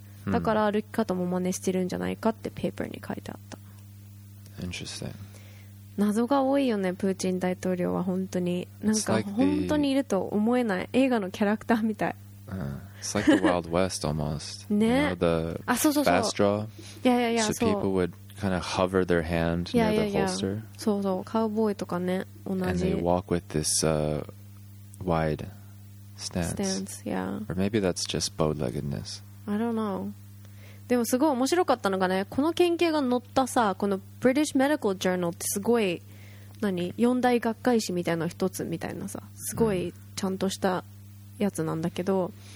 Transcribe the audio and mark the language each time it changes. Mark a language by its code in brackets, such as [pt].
[ja] だから歩き方も真似してるんじゃないかってペーパーに書いてあった。 [en] Interesting. [ja] 謎が多いよね、プーチン大統領は。本当になんか本当にいると思えない、映画のキャラクターみたい。 [en] It's like the Wild West almost. ね、 you know, the [ja] あ、そうそうそう [en] fast draw. Yeah, yeah, yeah. So people would kind of hover their hand near the holster. [ja] そうそう、カウボーイとかね、同じ。 [en] And they walk with this wide stance. Stance, yeah. Or maybe that's just bow-leggedness. I don't know. [ja] でもすごい面白かったのがね、この研究が載ったさ、この British Medical Journal ってすごい何、四大学会誌みたいな一つみたいなさ、すごいちゃんとしたやつなんだけど。